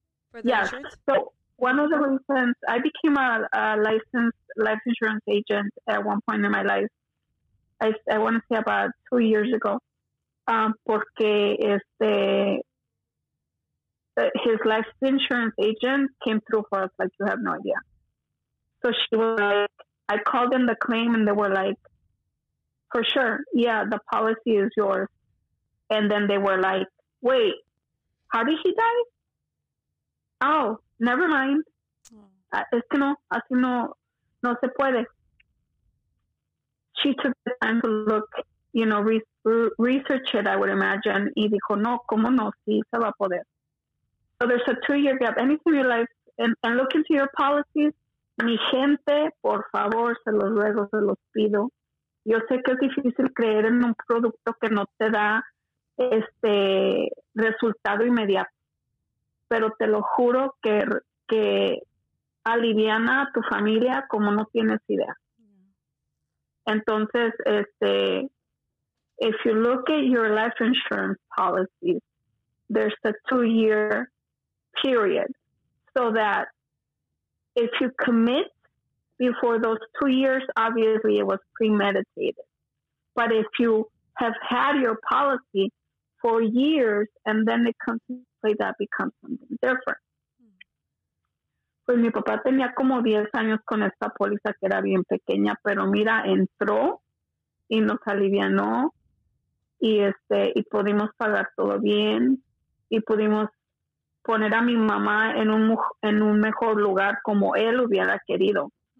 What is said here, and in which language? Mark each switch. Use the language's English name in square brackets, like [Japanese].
[English] for the insurance? So one of the reasons I became a licensed life insurance agent at one point in my life, I want to say about 2 years ago, porque his life insurance agent came through for us, like you have no idea. So she was like, I called in the claim and they were like, for sure, yeah, the policy is yours. And then they were like, wait, how did he die? Oh, never mind. [Spanish] Es que no, así no, no se puede. [English] She took the time to look, you know, research it, I would imagine. [Spanish] Y dijo, no, cómo no, sí se va a poder. [English] So So there's a 2-year gap. Anything you like, and look into your policies. [Spanish] Mi gente, por favor, se los ruego, se los pido. Yo sé que es difícil creer en un producto que no te da este resultado inmediato, pero te lo juro que aliviana a tu familia como no tienes idea. Entonces, este, [English] if you look at your life insurance policies, there's a 2-year period, so that if you commit before those 2 years, obviously it was premeditated. But if you have had your policy for years and then it comes into play, that becomes something different. [Spanish] Pues mi papá tenía como 10 años con esta póliza que era bien pequeña, pero mira, entró y nos alivianó y este y pudimos pagar todo bien y pudimos poner a mi mamá en un mejor lugar como él hubiera querido.